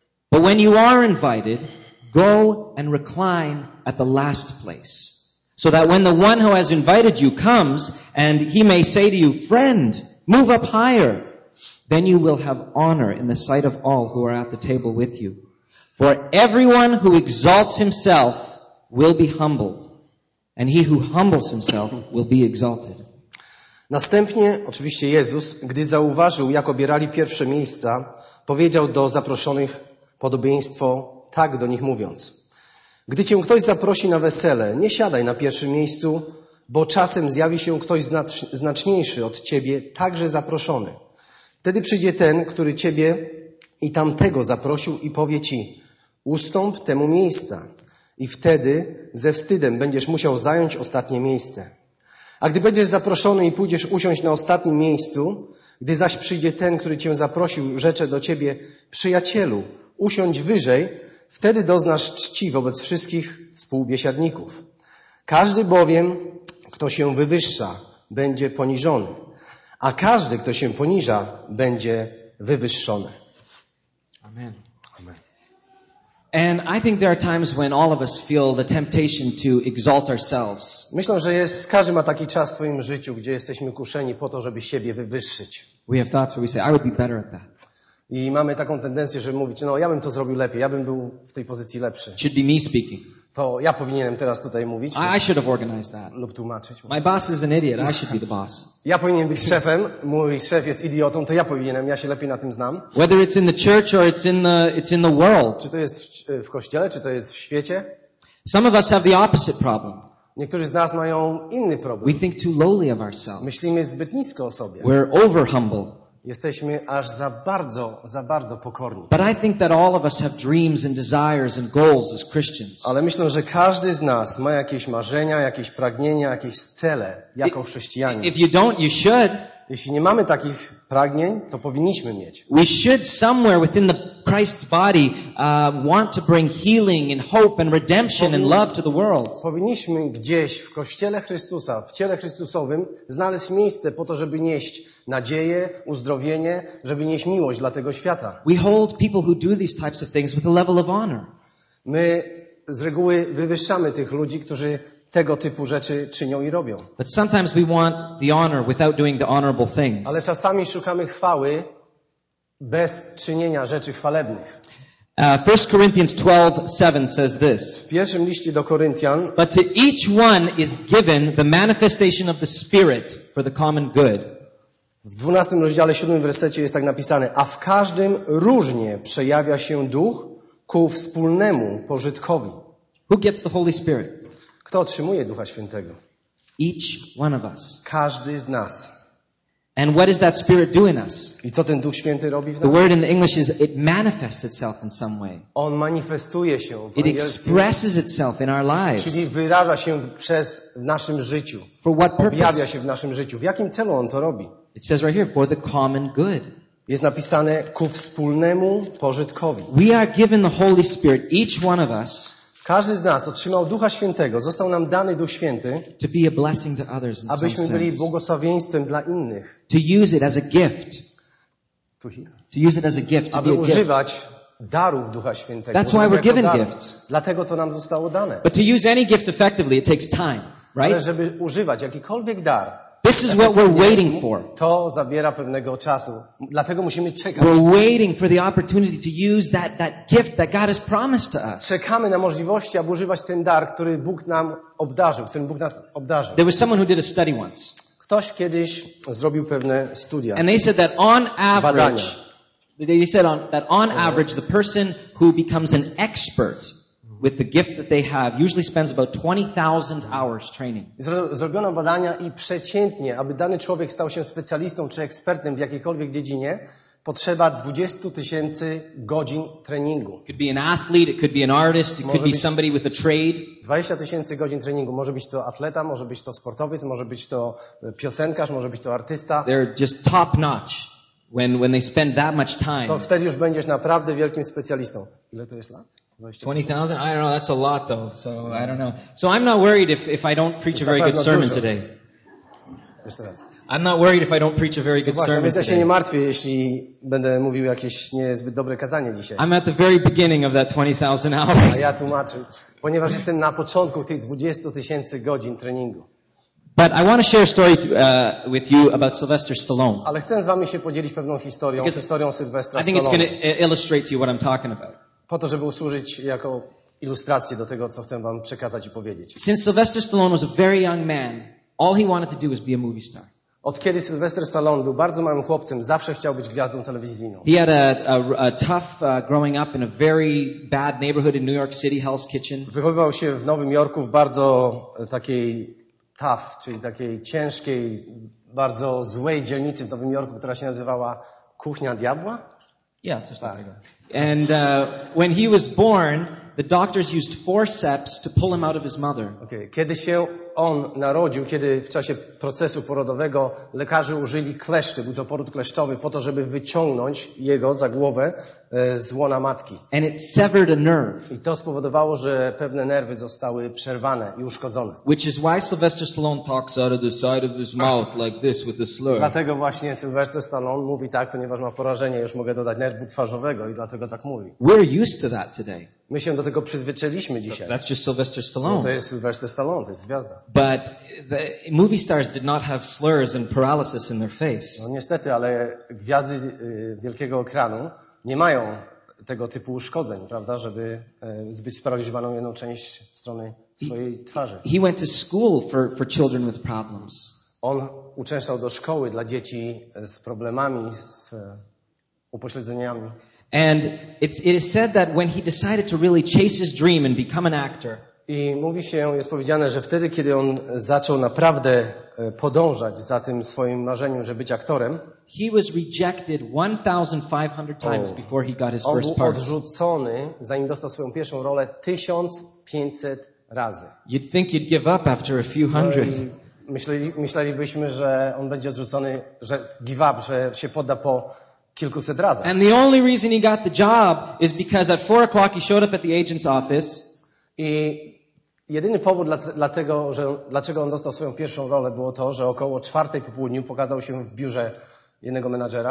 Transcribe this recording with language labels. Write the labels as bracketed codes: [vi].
[en] But when you are invited, go and recline at the last place, so that when the one who has invited you comes and he may say to you, 'Friend, move up higher,' then you will have honor in the sight of all who are at the table with you. For everyone who exalts himself will be humbled, and he who humbles himself will be exalted." [pl] Następnie, oczywiście Jezus, gdy zauważył, jak obierali pierwsze miejsca, powiedział do zaproszonych podobieństwo, tak do nich mówiąc. Gdy cię ktoś zaprosi na wesele, nie siadaj na pierwszym miejscu, bo czasem zjawi się ktoś znaczniejszy od ciebie, także zaproszony. Wtedy przyjdzie ten, który ciebie i tamtego zaprosił i powie ci, ustąp temu miejsca. I wtedy ze wstydem będziesz musiał zająć ostatnie miejsce. A gdy będziesz zaproszony i pójdziesz usiąść na ostatnim miejscu, gdy zaś przyjdzie ten, który cię zaprosił, rzecze do ciebie, przyjacielu, usiądź wyżej, wtedy doznasz czci wobec wszystkich współbiesiadników. Każdy bowiem, kto się wywyższa, będzie poniżony, a każdy, kto się poniża, będzie wywyższony. Amen. Amen. [en] And I think there are times when all of us feel the temptation to exalt ourselves. [pl] Myślę, że jest, każdy ma taki czas w swoim życiu, gdzie jesteśmy kuszeni po to, żeby siebie wywyższyć. [en] We have thoughts where we say, I would be better at that. [pl] I mamy taką tendencję, żeby mówić, no ja bym to zrobił lepiej, ja bym był w tej pozycji lepszy. [en] Should be me speaking. [pl] To ja powinienem teraz tutaj mówić. [en] I should have organized that. [pl] Lub tłumaczyć. [en] My boss is an idiot, I should be the boss. [pl] Ja powinienem być szefem, mój szef jest idiotą, to ja powinienem, ja się lepiej na tym znam. [en] Whether it's in the church or it's in the world. [pl] Czy to jest w kościele, czy to jest w świecie? [en] Some of us have the opposite problem. [pl] Niektórzy z nas mają inny problem. [en] We think too lowly of ourselves. [pl] Myślimy zbyt nisko o sobie. [en] We're over humble. [pl] Jesteśmy aż za bardzo pokorni. [en] But I think that all of us have dreams and desires and goals as Christians. [pl] Ale myślę, że każdy z nas ma jakieś marzenia, jakieś pragnienia, jakieś cele jako chrześcijanie. [en] If you don't, you should. [pl] Jeśli nie mamy takich pragnień, to powinniśmy mieć. [en] We should somewhere within the Christ's body want to bring healing and hope and redemption and love to the world. [pl] Powinniśmy gdzieś w kościele Chrystusa, w ciele Chrystusowym znaleźć miejsce po to, żeby nieść nadzieję, uzdrowienie, żeby nieść miłość dla tego świata. [en] We hold people who do these types of things with a level of honor. [pl] My z reguły wywyższamy tych ludzi, którzy tego typu rzeczy czynią i robią. [en] But sometimes we want the honor without doing the honorable things. [pl] Ale czasami szukamy chwały bez czynienia rzeczy chwalebnych. [en] 1 Corinthians 12:7 says this. [pl] W pierwszym liście do Koryntian. [en] But to each one is given the manifestation of the Spirit for the common good. [pl] W 12 rozdziale 7 wersecie jest tak napisane: a w każdym różnie przejawia się Duch ku wspólnemu pożytkowi. [en] Who gets the Holy Spirit? [pl] Kto otrzymuje Ducha Świętego? [en] Each one of us. [pl] Każdy z nas. [en] And what does that Spirit do in us? [pl] I co ten Duch Święty robi w nas? [en] The word in the English is it manifests itself in some way. [pl] On manifestuje się w [en] angielskim. It expresses itself in our lives. [pl] Czyli wyraża się przez w naszym życiu. [en] For what purpose? [pl] Objawia się w naszym życiu. W jakim celu on to robi? [en] It says right here, for the common good. [pl] Jest napisane ku wspólnemu pożytkowi. [en] We are given the Holy Spirit, each one of us. [pl] Każdy z nas otrzymał Ducha Świętego. Został nam dany Duch Święty, [en] to be a blessing to others in some [pl] abyśmy [en] sense. [pl] Byli błogosławieństwem dla innych. [en] To use it as a gift. To, here. To use it as a gift. [pl] Aby [en] to be a [pl] używać [en] gift. [pl] Darów Ducha Świętego. [en] That's why we're given gifts. [pl] Dlatego to nam zostało dane. [en] But to use any gift effectively, it takes time, right? [pl] Ale żeby używać jakikolwiek dar. [en] This is what we're waiting for. [pl] To zabiera pewnego czasu. Dlatego musimy czekać. [en] We're waiting for the opportunity to use that gift that God has promised to us. [pl] Czekamy na możliwości, aby używać ten dar, który Bóg nam obdarzył, którym Bóg nas obdarzył. [en] There was someone who did a study once. [pl] Ktoś kiedyś zrobił pewne studia. [en] And they said that on average, [pl] badania. [en] They said on, that on average, the person who becomes an expert with the gift that they have usually spends about 20,000 hours training. [pl] Zrobiono badania i przeciętnie, aby dany człowiek stał się specjalistą czy ekspertem w jakiejkolwiek dziedzinie, potrzeba 20 tysięcy godzin treningu. [en] It could be an athlete, it could be an artist, it could be somebody with a trade. [pl] 20 tysięcy godzin treningu. Może być to atleta, może być to sportowiec, może być to piosenkarz, może być to artysta. [en] They're just top notch when they spend that much time. [pl] To wtedy już będziesz naprawdę wielkim specjalistą. Ile to jest lat? [en] 20,000? I don't know, that's a lot though, so I don't know. So I'm not worried if I don't preach a very good sermon today. I'm not worried if I don't preach a very good sermon today. [pl] Ja się nie martwię, jeśli będę mówił jakieś niezbyt dobre kazanie dzisiaj. [en] I'm at the very beginning of that 20,000 hours. [pl] A ja tłumaczę, ponieważ jestem na początku tych 20 tysięcy godzin treningu. [en] But I want to share a story with you about Sylvester Stallone. [pl] Ale chcę z wami się podzielić pewną historią, [en] because [pl] historią Sylwestra Stallone. [en] I think it's going to illustrate to you what I'm talking about. [pl] Po to, żeby usłużyć jako ilustrację do tego, co chcę wam przekazać i powiedzieć. [en] Since Sylvester Stallone was a very young man, all he wanted to do was be a movie star. [pl] Od kiedy Sylvester Stallone był bardzo małym chłopcem, zawsze chciał być gwiazdą telewizyjną. [en] He had a tough growing up in a very bad neighborhood in New York City, Hell's Kitchen. [pl] Wychowywał się w Nowym Jorku w bardzo takiej tough, czyli takiej ciężkiej, bardzo złej dzielnicy w Nowym Jorku, która się nazywała Kuchnia Diabła. [en] Yeah, [pl] coś takiego. [en] And when he was born, the doctors used forceps to pull him out of his mother. Okay. [pl] Kiedy się on narodził, kiedy w czasie procesu porodowego lekarze użyli kleszczy, był to poród kleszczowy, po to, żeby wyciągnąć jego za głowę z łona matki. [en] And it severed a nerve. [pl] I to spowodowało, że pewne nerwy zostały przerwane i uszkodzone. [en] Which is why Sylvester Stallone talks out of the side of his mouth like this with a slur. [pl] Dlatego właśnie Sylvester Stallone mówi tak, ponieważ ma porażenie, już mogę dodać, nerwu twarzowego i dlatego tak mówi. [en] We're used to that today. [pl] My się do tego przyzwyczailiśmy dzisiaj. [en] That's just Sylvester Stallone. [pl] No, to jest Sylvester Stallone, to jest gwiazda. [en] But the movie stars did not have slurs and paralysis in their face. [pl] No niestety, ale gwiazdy wielkiego ekranu nie mają tego typu uszkodzeń, prawda, żeby zbyć sparaliżowaną jedną część strony swojej twarzy. [en] He went to school for children with problems. [pl] On uczęszczał do szkoły dla dzieci z problemami, z upośledzeniami. [en] And it is said that when he decided to really chase his dream and become an actor. [pl] I mówi się, jest powiedziane, że wtedy, kiedy on zaczął naprawdę podążać za tym swoim marzeniem, żeby być aktorem, [en] he was rejected 1500 times before he got his first part. [pl] On był odrzucony, zanim dostał swoją pierwszą rolę, 1500 razy. [en] You'd think you'd give up after a few hundred. [pl] Myślelibyśmy, że on będzie odrzucony, że [en] give up, [pl] że się podda po kilkuset razy. [en] And the only reason he got the job is because at 4 o'clock he showed up at the agent's office. [pl] I jedyny powód dlaczego on dostał swoją pierwszą rolę było to, że około 4 po południu pokazał się w biurze jednego menadżera.